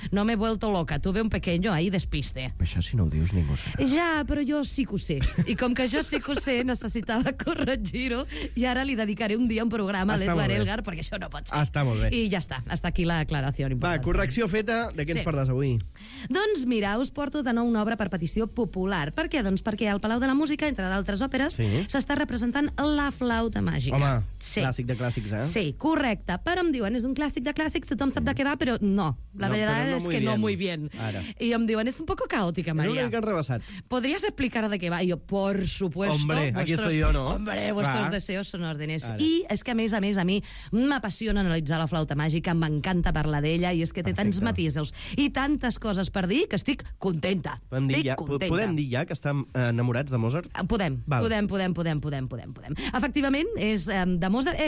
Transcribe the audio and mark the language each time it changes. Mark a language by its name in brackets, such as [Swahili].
[Spanish] No me vuelto loca, tuve un pequeño ahí despiste. [Catalan] Això si no ho dius ningú serà. Ja, però jo sí que ho sé. I com que jo sí que ho sé, necessitava corregir-ho i ara li dedicaré un dia un programa a l'Edward Elgar perquè això no pot ser. Està molt bé. I ja està, [Spanish] hasta aquí [Catalan] la aclaració important. Va, correcció feta, de què ens parles avui? Doncs mira, us porto de nou una obra per petició popular. Per què? Doncs perquè al Palau de la Música, entre d'altres òperes, s'està representant La Flauta Màgica. Home, clàssic de clàssics, eh? Sí, correcte. Però em diuen, és un clàssic de clàssics, tothom sap de què va, però no. La veritat és que [Spanish] no muy bien. [Catalan] Ara. I em diuen, és [Spanish] un poco [Catalan] caòtica, Maria. És un mica enrebaçat. Podries explicar de què va? I jo, [Spanish] por supuesto. Hombre, aquí estoy yo, ¿no? Hombre, vuestros deseos son órdenes. [Catalan] I és que, a més, a mi m'apassiona analitzar La Flauta Màgica, m'encanta parlar d'ella, i és que té tants matisos i tantes coses per dir que estic contenta. Podem dir ja que estem enamorats de Mozart? Podem. Efectivament, és de Mozart.